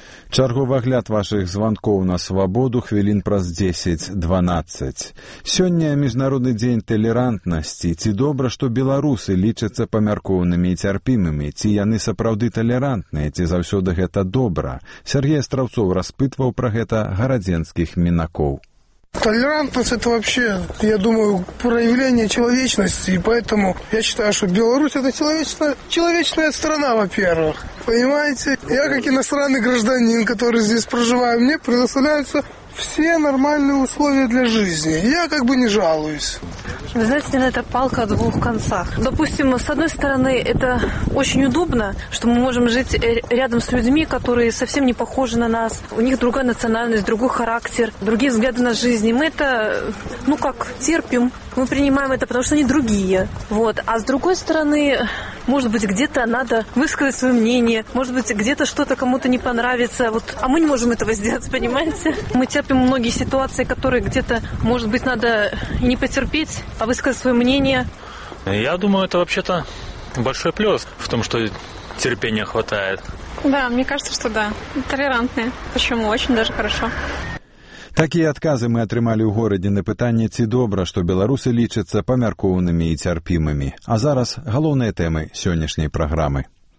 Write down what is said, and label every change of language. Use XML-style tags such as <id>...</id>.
<be>Чарговы агляд вашых званкоў на свабоду хвілін праз 10-12. Сёння міжнародны дзень талерантнасці. Ці добра, што беларусы лічацца памяркоўнымі і цярпімымі? Ці яны сапраўды талерантныя? Ці заўсёды гэта добра? Сергей Астраўцоў распытваў пра гэта гарадзенскіх мінакоў.</be> <ru>Толерантность – это вообще, я думаю, проявление человечности, и поэтому я считаю, что Беларусь – это человечная страна, во-первых. Понимаете, я как иностранный гражданин, который здесь проживаю, мне предоставляются все нормальные условия для жизни. Я как бы не жалуюсь. Вы знаете, наверное, это палка о двух концах. Допустим, с одной стороны, это очень удобно, что мы можем жить рядом с людьми, которые совсем не похожи на нас. У них другая национальность, другой характер, другие взгляды на жизнь. Мы это, ну как, терпим. Мы принимаем это, потому что они другие. Вот. А с другой стороны, может быть, где-то надо высказать свое мнение. Может быть, где-то что-то кому-то не понравится. Вот. А мы не можем этого сделать, понимаете? Мы терпим многие ситуации, которые где-то, может быть, надо и не потерпеть, а высказать свое мнение. Я думаю, это вообще-то большой плюс в том, что терпения хватает. Да, мне кажется, что да. Толерантные. Почему? Очень даже хорошо.</ru> <be>Такія адказы мы атрымалі ў горадзе на пытанне, ці добра, што беларусы лічацца памяркоўнымі і цярпімымі. А зараз галоўныя тэмы сённяшняй праграмы.</be>